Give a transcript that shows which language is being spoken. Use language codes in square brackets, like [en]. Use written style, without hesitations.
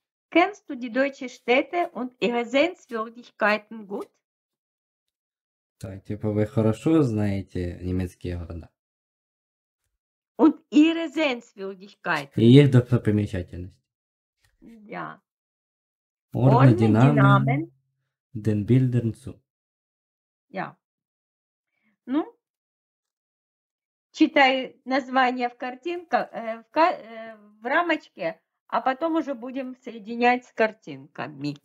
[de] Kennst du die deutsche Städte und ihre Sehenswürdigkeiten gut? [ru] Так, типа вы хорошо знаете немецкие города. [de] Und ihre Sehenswürdigkeiten. [ru] И их достопримечательности. Да. Yeah. [de] Ordne die Namen den Bildern zu. Да. Yeah. [ru] Ну, читай названия в картинках, в рамочке, а потом уже будем соединять с картинками.